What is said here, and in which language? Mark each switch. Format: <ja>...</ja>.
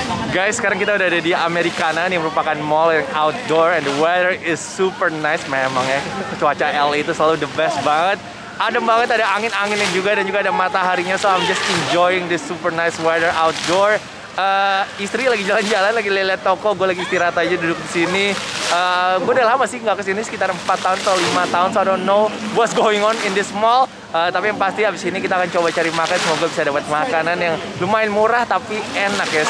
<id>Guys, sekarang kita udah ada di Americana. Ini merupakan mall yang outdoor</id> <en>and the weather is super nice</en> <id>memang ya. Cuaca LA itu selalu</id> <en>the best</en> <id>banget. Adem banget, ada angin-angin yang juga dan juga ada mataharinya.</id> <en>So I'm just enjoying this super nice weather outdoor.</en> <id>Istri lagi jalan-jalan, lagi lihat toko, gue lagi istirahat aja duduk di sini. Gue udah lama sih nggak kesini, sekitar 4 tahun atau 5 tahun.</id> <en>So I don't know what's going on in this mall.</en> <id>Tapi yang pasti abis ini kita akan coba cari makan, semoga bisa dapat makanan yang lumayan murah tapi enak ya.</id>